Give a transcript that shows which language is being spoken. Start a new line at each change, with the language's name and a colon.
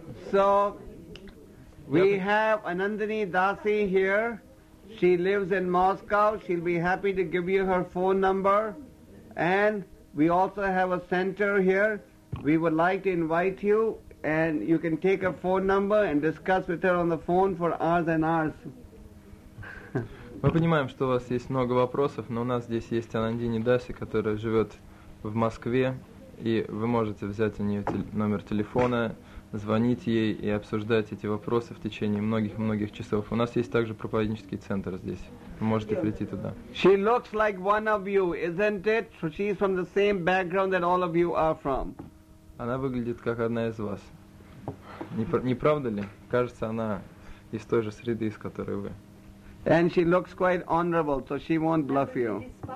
English: So we have Anandini Dasi here. She lives in Moscow. She'll be happy to give you her phone number. And we also have a center here. We would like to invite you, and you can take her phone number and discuss with her on the phone for hours and hours.
Russian: Мы понимаем, что у вас есть много вопросов, но у нас здесь есть Анандини Даси, которая живет в Москве, и вы можете взять у нее номер телефона, звонить ей и обсуждать эти вопросы в течение многих-многих часов. У нас есть также проповеднический центр здесь. Вы можете прийти туда.
English: She looks like one of you, isn't it? So she's from the same background that all of you are from.
Russian: Она выглядит как одна из вас. Не правда ли? Кажется, она из той же среды, из которой вы.
English: And she looks quite honorable, so she won't bluff you.